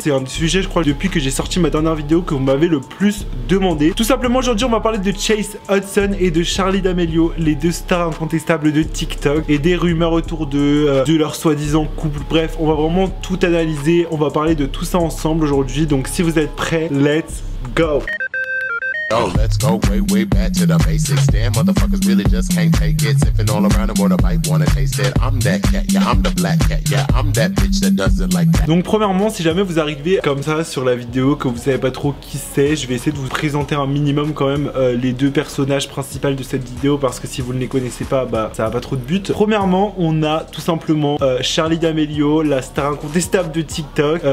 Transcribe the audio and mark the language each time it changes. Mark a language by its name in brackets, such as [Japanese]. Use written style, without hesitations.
[French] C'est un sujet, je crois, depuis que j'ai sorti ma dernière vidéo, que vous m'avez le plus demandé. Tout simplement, aujourd'hui, on va parler de Chase Hudson et de Charli D'Amelio, les deux stars incontestables de TikTok, et des rumeurs autour de leur soi-disant couple. Bref, on va vraiment tout analyser. On va parler de tout ça ensemble aujourd'hui. Donc, si vous êtes prêts, [English] let's go! Oh, let's go way, way back to the basics. Damn, motherfuckers really just can't take it. Sipping all around and want a bite, wanna taste it. I'm that cat, yeah, I'm the black cat, yeah, I'm that bitch that does it like that. [French] Donc premièrement, si jamais vous arrivez comme ça sur la vidéo, que vous savez pas trop qui c'est, je vais essayer de vous présenter un minimum quand même les deux personnages principaux de cette vidéo, parce que si vous ne les connaissez pas, bah ça a pas trop de but. Premièrement, on a tout simplement Charli D'Amelio, la star incontestable de TikTok.